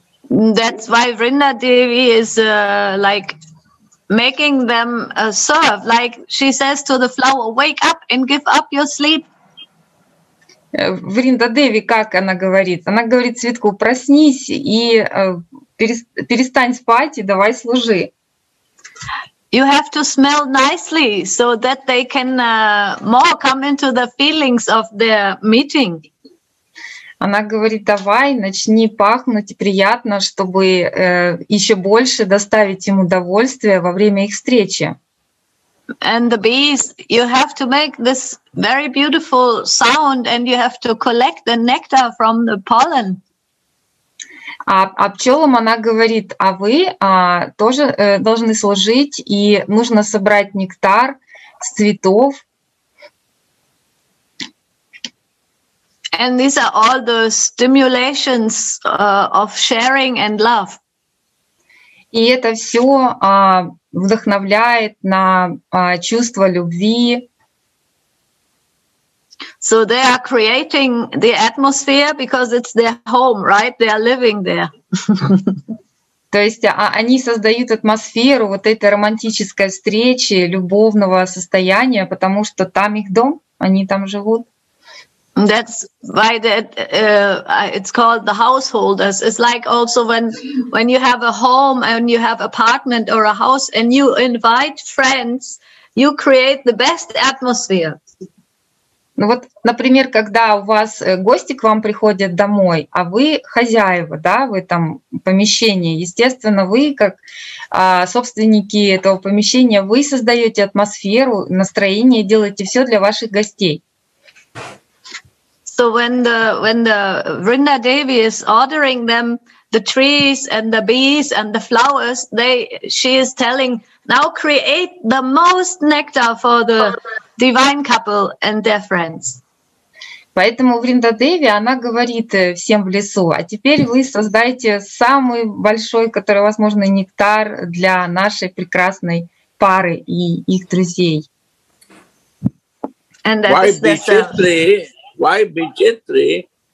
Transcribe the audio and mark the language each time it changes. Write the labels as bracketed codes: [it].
[en] That's why Vrinda Devi is like making them serve. Like she says to the flower, wake up and give up your sleep. [ru] Вринда Деви, как она говорит? Она говорит цветку, проснись и перестань спать и давай служи. [en] You have to smell nicely so that they can more come into the feelings of their meeting. [ru] Она говорит, давай, начни пахнуть приятно, чтобы еще больше доставить им удовольствие во время их встречи. [en] And the bees, you have to make this very beautiful sound and you have to collect the nectar from the pollen. [ru] А пчелам она говорит, а вы тоже должны служить и нужно собрать нектар с цветов. [en] And these are all the stimulations of sharing and love. [ru] И это все вдохновляет на чувство любви. [en] So they are creating the atmosphere because it's their home, right? They are living there. [ru] То есть они создают атмосферу вот этой романтической встречи, любовного состояния, потому что там их дом, они там живут. [en] That's why it's called the householders. It's like also when you have a home and you have apartment or a house and you invite friends, you create the best atmosphere. [ru] Ну вот, например, когда у вас гости к вам приходят домой, а вы хозяева, да, вы там помещение, естественно, вы как собственники этого помещения, вы создаете атмосферу, настроение, делаете все для ваших гостей. [en] So when the Vrinda Devi is ordering them the trees and the bees and the flowers, she is telling, now create the most nectar for the divine couple and their friends. [ru] Поэтому Вринда Деви, она говорит всем в лесу, а теперь вы создайте самый большой, который, возможно, нектар для нашей прекрасной пары и их друзей. [en] And that is the Why Bichitri?